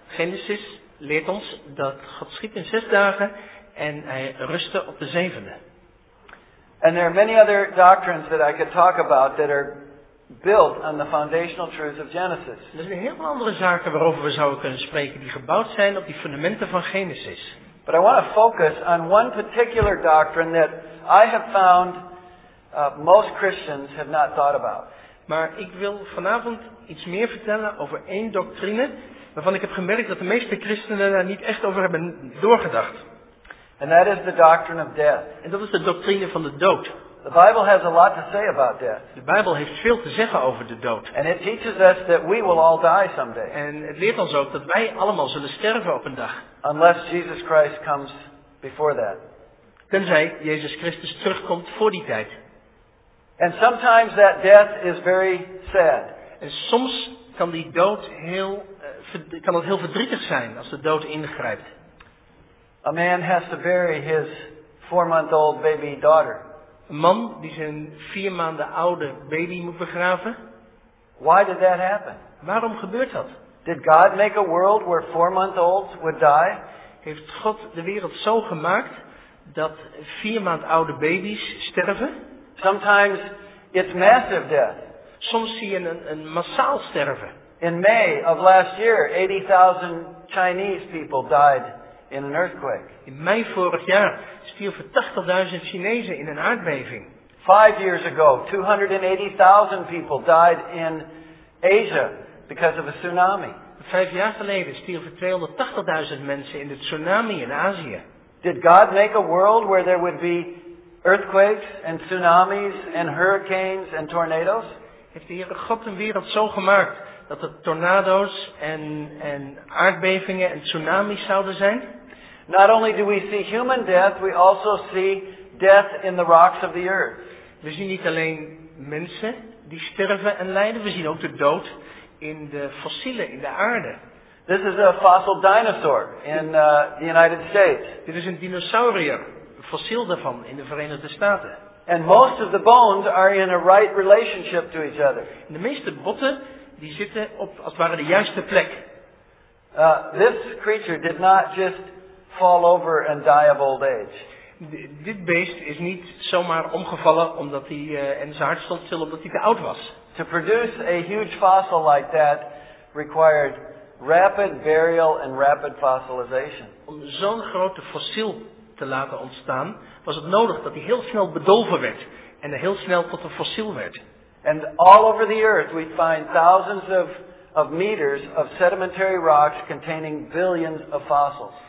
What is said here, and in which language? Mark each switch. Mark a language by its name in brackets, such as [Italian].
[Dutch] Genesis leert ons dat God schiep in 6 dagen en hij rustte op de zevende. [English] And there are many other doctrines that I could talk about that are built on the foundational truths of Genesis. [Dutch] Er zijn heel veel andere zaken waarover we zouden kunnen spreken die gebouwd zijn op die fundamenten van Genesis. [English] But I want to focus on one particular doctrine that I have found most Christians have not thought about. [Dutch] Maar ik wil vanavond iets meer vertellen over één doctrine waarvan ik heb gemerkt dat de meeste christenen daar niet echt over hebben doorgedacht. [English] And that is the doctrine of death. [Dutch] En dat is de doctrine van de dood. [English] The Bible has a lot to say about death. [Dutch] De Bijbel heeft veel te zeggen over de dood. [English] And it teaches us that we will all die someday. [Dutch] En het leert ons ook dat wij allemaal zullen sterven op een dag. [English] Unless Jesus Christ comes before that. [Dutch] Tenzij Jezus Christus terugkomt voor die tijd. [English] And sometimes that death is very sad. [Dutch] En soms kan die dood kan het heel verdrietig zijn als de dood ingrijpt. [English] A man has to bury his 4-month-old baby daughter. [Dutch] Een man die zijn 4 maanden oude baby moet begraven. [English] Why did that happen? [Dutch] Waarom gebeurt dat? [English] Did God make a world where 4-month-olds would die? [Dutch] Heeft God de wereld zo gemaakt dat 4 maand oude baby's sterven? [English] Sometimes it's massive death. [Dutch] Soms zie je een massaal sterven. [English] In May of last year, 80,000 Chinese people died. In an earthquake. [Dutch] In mei vorig jaar stierven 80.000 Chinezen in een aardbeving. [English] 5 years ago, 280,000 people died in Asia because of a tsunami. [Dutch] 5 jaar geleden stierven 280.000 mensen in de tsunami in Azië. [English] Did God make a world where there would be earthquakes and tsunamis and hurricanes and tornadoes? [Dutch] Heeft de Heere God een wereld zo gemaakt dat er tornado's en aardbevingen en tsunami's zouden zijn? [English] Not only do we see human death, we also see death in the rocks of the earth. [Dutch] We zien niet alleen mensen die sterven en lijden, we zien ook de dood in de fossielen, in de aarde. [English] This is a fossil dinosaur in the United States. [Dutch] Dit is een dinosaurier, een fossiel daarvan in de Verenigde Staten. [English] And most of the bones are in a right relationship to each other. [Dutch] De meeste botten die zitten op als het ware de juiste plek. [English] This creature did not just fall over and die of old age. [Dutch] Dit beest is niet zomaar omgevallen omdat hij en zijn hart stond stil omdat hij te oud was. [English] To produce a huge fossil like that required rapid burial and rapid fossilization. [Dutch] Om zo'n grote fossiel te laten ontstaan, was het nodig dat hij heel snel bedolven werd en heel snel tot een fossiel werd. [English] And all over the earth we find thousands of meters of sedimentary rocks containing billions of fossils.